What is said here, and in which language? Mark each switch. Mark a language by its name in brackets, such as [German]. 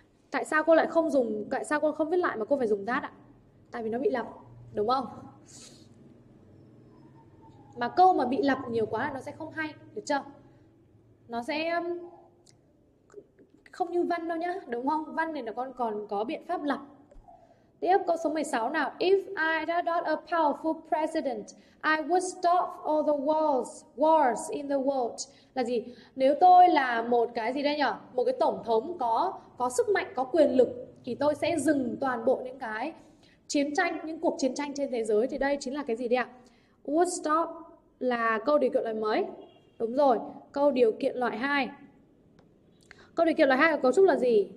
[Vietnamese] Tại sao cô lại không dùng, tại sao cô không viết lại mà cô phải dùng that ạ? À? Tại vì nó bị lặp, đúng không? Mà câu mà bị lặp nhiều quá là nó sẽ không hay, được chưa? Nó sẽ không như văn đâu nhá, đúng không? Văn này nó còn có biện pháp lặp. Tiếp câu số 16 nào. [English] If I had a powerful president, I would stop all the wars in the world. [Vietnamese] Là gì? Nếu tôi là một cái gì đây nhỉ? Một cái tổng thống có sức mạnh, có quyền lực thì tôi sẽ dừng toàn bộ những cái chiến tranh, những cuộc chiến tranh trên thế giới. Thì đây chính là cái gì đây ạ? [English] Would stop [Vietnamese] là câu điều kiện loại mới. Đúng rồi, câu điều kiện loại 2. Câu điều kiện loại 2 của cấu trúc là gì?